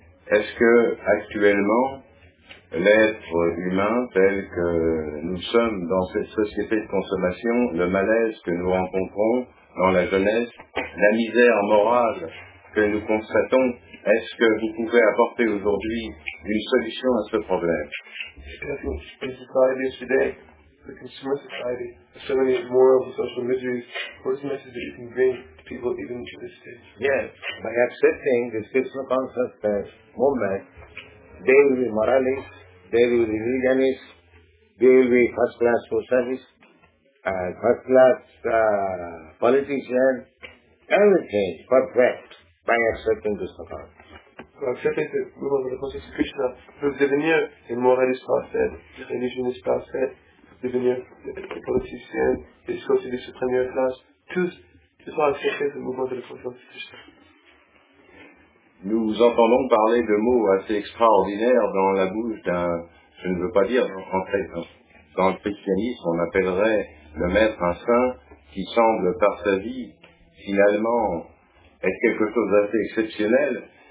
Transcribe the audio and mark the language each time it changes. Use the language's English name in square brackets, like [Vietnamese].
[French] Est-ce que actuellement l'être humain tel que nous sommes dans cette société de consommation, le malaise que nous rencontrons dans la jeunesse, la misère morale que nous constatons, est-ce que vous pouvez apporter aujourd'hui une solution à ce problème? [English] In society today, the consumer society, so many moral and social miseries, what is the message that you can bring to people even to this stage? Yes, by accepting the Krishna consciousness movement, they will be moralists, they will be religionists, they will be first-class socialists, first-class politicians, everything perfect by accepting Krishna consciousness. [French] Accepter le mouvement de la conscience de Krishna peut devenir des moralistes parfaits, des religionnistes parfaits, devenir des politiciens, des socialistes de première classe, tous, tout ça accepter le mouvement de la conscience de Krishna. Nous entendons parler de mots assez extraordinaires dans la bouche d'un, je ne veux pas dire en français, dans le christianisme, on appellerait le maître un saint qui semble par sa vie finalement être quelque chose d'assez exceptionnel.